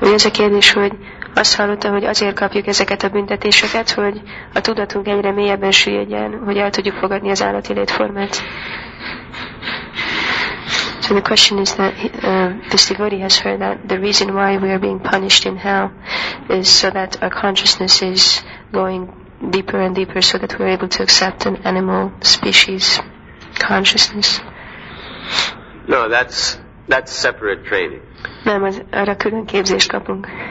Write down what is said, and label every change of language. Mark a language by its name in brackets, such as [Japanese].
[Hungarian] Ugye ez a kérdés, hogy azt hallotta, hogy azért kapjuk ezeket a büntetéseket, hogy a tudatunk egyre mélyebben süllyedjen, hogy el tudjuk fogadni az állati létformát. [English] So the question is that this devotee has heard that the reason why we are being punished in hell is so that our consciousness is going deeper and deeper so that we are able to accept an animal species consciousness. No, that's separate training. [Hungarian] Nem, az arra külön képzést kapunk.